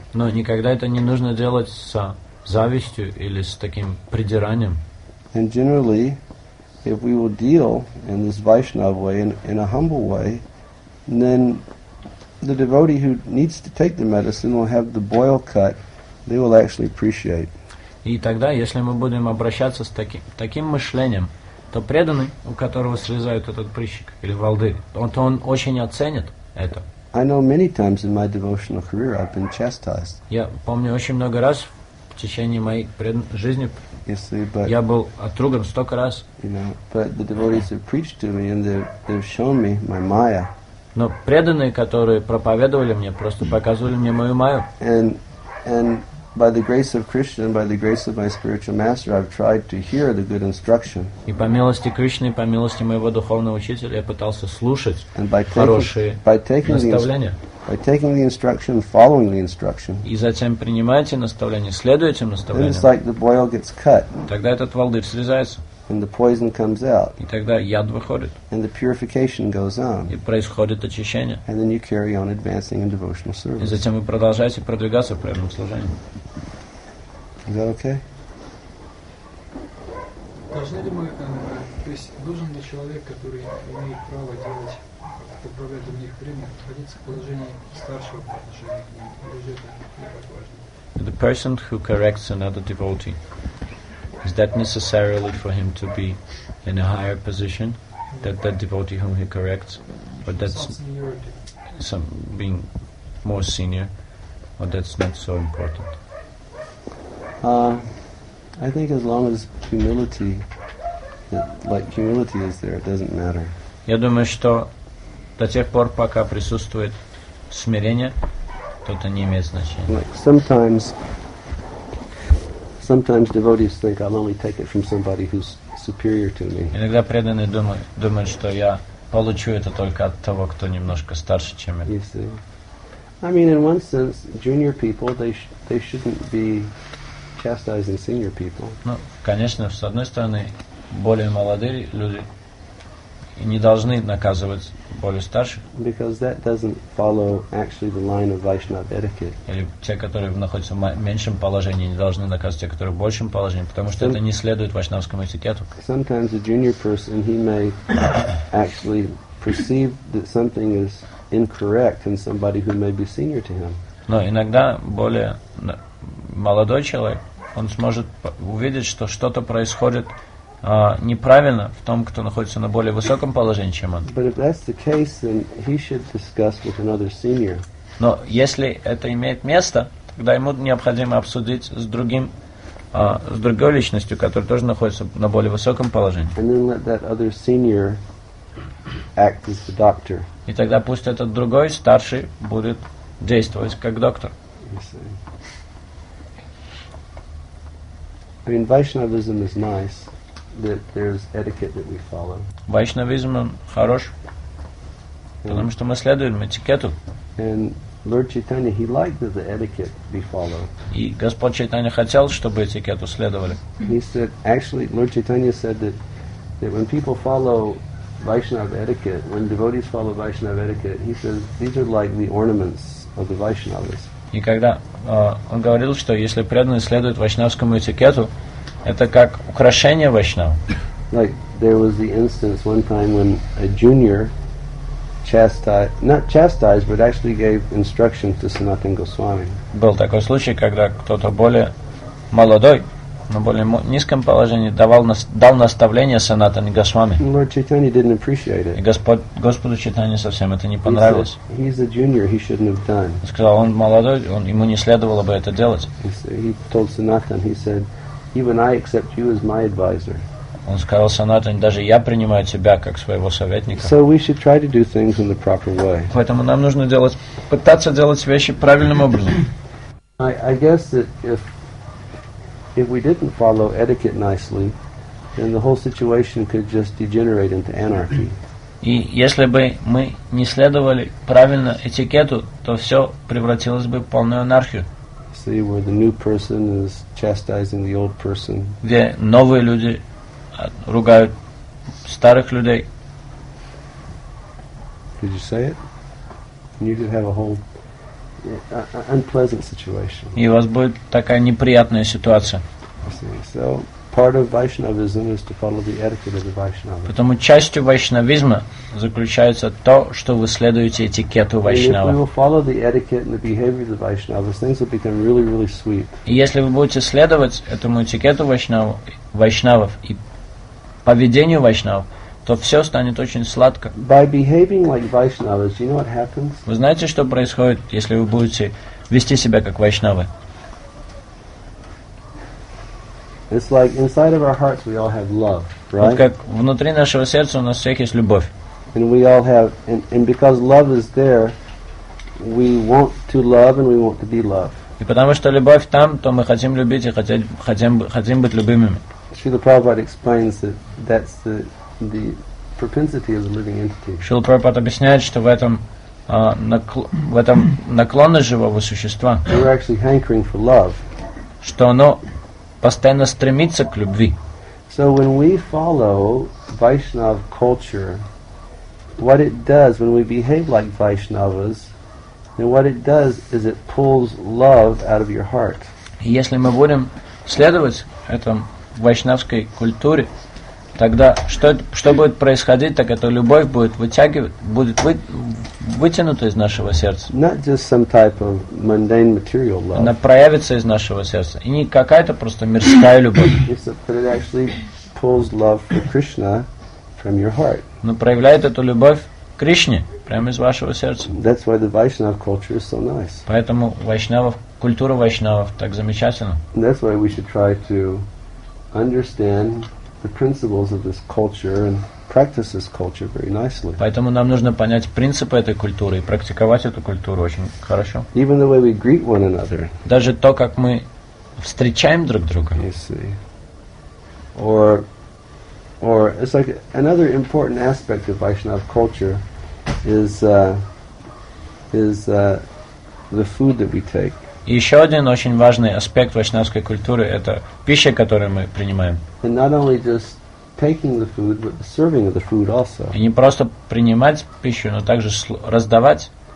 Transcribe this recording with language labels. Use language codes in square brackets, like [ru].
[ru] Но никогда это не нужно делать с завистью или с таким придиранием. [en] And generally, if we will deal in this Vaishnava way, in a humble way, then the devotee who needs to take the medicine will have the boil cut. They will actually appreciate. [ru] И тогда, если мы будем обращаться с таким мышлением, то преданный, у которого срезают этот прыщик или волдырь, он очень оценит это. [en] I know many times in my devotional career I've been chastised. [ru] Я помню очень много раз в течение моей преданной жизни. [en] You see, but [ru] я был отруган столько раз. [en] You know, but the devotees have preached to me and they've shown me my maya. [ru] Но преданные, которые проповедовали мне, просто показывали мне мою майю. [en] And by the grace of Krishna, by the grace of my spiritual master, I've tried to hear the good instruction. [ru] И по милости Кришны, и по милости моего духовного учителя, я пытался слушать хорошие наставления. [en] By taking the instruction, following the instruction. [ru] И затем принимайте наставление, следуя этим наставлениям. [en] Then it's like the boil gets cut. [ru] Тогда этот волдырь срезается. [en] And the poison comes out. [ru] И тогда яд выходит. [en] And the purification goes on. [ru] И происходит очищение. [en] And then you carry on advancing in devotional service. [ru] И затем вы продолжаете продвигаться в преданном служении. [en] Is that okay? [ru] Должны ли мы, то есть должен ли человек, который имеет право делать проповедование в храме, находиться в положении старшего по отношению к ним? Или же это не так важно? [en] The person who corrects another devotee, is that necessarily for him to be in a higher position than that devotee whom he corrects, or that's some being more senior, or that's not so important? I think as long as humility, humility is there, it doesn't matter. [ru] Я думаю, что до тех пор, пока присутствует смирение, то это не имеет значения. [en] Like Sometimes devotees think I'll only take it from somebody who's superior to me. [ru] Иногда преданные думают, что я получу это только от того, кто немножко старше, чем я. [en] You see, I mean, in one sense, junior people they shouldn't be chastising senior people. [ru] Ну, конечно, с одной стороны, более молодые люди и не должны наказывать более старших. [en] Because that doesn't follow actually the line of Vaishnava etiquette. [ru] Или те, которые находятся в меньшем положении, не должны наказывать те, которые в большем положении, потому что это не следует вайшнавскому этикету. [en] Sometimes a junior person, he may actually perceive that something is incorrect in somebody who may be senior to him. [ru] Но иногда более молодой человек, он сможет увидеть, что что-то происходит неправильно в том, кто находится на более высоком положении, чем он. [en] But if that's the case, then he should discuss with another senior. [ru] Но если это имеет место, тогда ему необходимо обсудить с другим, с другой личностью, которая тоже находится на более высоком положении. [en] And then let that other senior act as the doctor. [ru] И тогда пусть этот другой старший будет действовать как доктор. [en] I mean, Vaishnavism is nice that there's etiquette that we follow. [ru] Vaishnavism хорош, потому что мы следуем этикету. [en] And Lord Chaitanya, he liked that the etiquette be followed. [ru] И Господь Чайтанья хотел, чтобы этикету следовали. [en] He said, actually, Lord Chaitanya said that when people follow Vaishnava etiquette, when devotees follow Vaishnava etiquette, he says these are like the ornaments of the Vaishnavas. [ru] И когда он говорил, что если преданный следует вайшнавскому этикету, это как украшение вайшнава. [en] Like there was the instance one time when a junior not chastised, but actually gave instructions to Sanatana Goswami. [ru] Был такой случай, когда кто-то более молодой, но более низком положении дал наставление Санатане Госвами. [en] Lord Chaitanya didn't appreciate it. [ru] И Господу Чайтанье совсем это не понравилось. [en] He's a junior, he shouldn't have done. [ru] Он сказал, он молодой, ему не следовало бы это делать. [en] He told Sanatana, he said, even I accept you as my advisor. [ru] Он сказал Санатане, даже я принимаю тебя как своего советника. [en] So we should try to do things in the proper way. [ru] Поэтому нам нужно пытаться делать вещи правильным образом. [en] I guess that if we didn't follow etiquette nicely, then the whole situation could just degenerate into anarchy. [ru] И если бы мы не следовали правильно этикету, то все превратилось бы в полную анархию. [en] See where the new person is chastising the old person. [ru] Где новые люди ругают старых людей. [en] Did you say it? And you could have a whole unpleasant situation. [ru] И у вас будет такая неприятная ситуация. [en] So part of Vaishnavism is to follow the etiquette of the Vaishnava. [ru] Поэтому частью вайшнавизма заключается то, что вы следуете этикету вайшнава. [en] If we will follow the etiquette and the behavior of the Vaishnavas, things will become really, really sweet. [ru] И если вы будете следовать этому этикету вайшнавов и поведению вайшнавов, то все станет очень сладко. [en] By behaving like Vaishnavas, you know what happens? [ru] Вы знаете, что происходит, если вы будете вести себя как вайшнавы? [en] It's like inside of our hearts we all have love, right? [ru] Вот как внутри нашего сердца у нас всех есть любовь. [en] And we all have, and because love is there, we want to love and we want to be loved. [ru] И потому что любовь там, то мы хотим любить и хотим быть любимыми. [en] Srila Prabhupada explains that's the propensity of the living entity. [ru] Srila Prabhupada объясняет, что в этом наклоне живого существа. [en] We're actually hankering for love. [ru] Что оно постоянно стремиться к любви. [en] So when we follow Vaishnav culture, what it does, when we behave like Vaishnavas, then what it does is it pulls love out of your heart. [ru] Если мы будем следовать этому вайшнавской культуре, тогда что будет происходить, так это любовь будет вытянута из нашего сердца. [en] Not just some type of mundane material love. [ru] Она проявится из нашего сердца. И не какая-то просто мирская любовь. [en] But it actually pulls love for Krishna from your heart. [ru] Но проявляет эту любовь к Кришне прямо из вашего сердца. [en] That's why the Vaishnava culture is so nice. [ru] Поэтому культура вайшнавов так замечательна. [en] That's why we should try to understand the principles of this culture and practice this culture very nicely. [ru] Поэтому нам нужно понять принципы этой культуры и практиковать эту культуру очень хорошо. [en] Even the way we greet one another. [ru] Даже то, как мы встречаем друг друга. [en] You see. Or it's like another important aspect of Vaishnava culture is the food that we take. [ru] И еще один очень важный аспект вайшнавской культуры – это пища, которую мы принимаем. [en] And not only just taking the food, but the serving of the food also. [ru] И не просто принимать пищу, но также раздавать.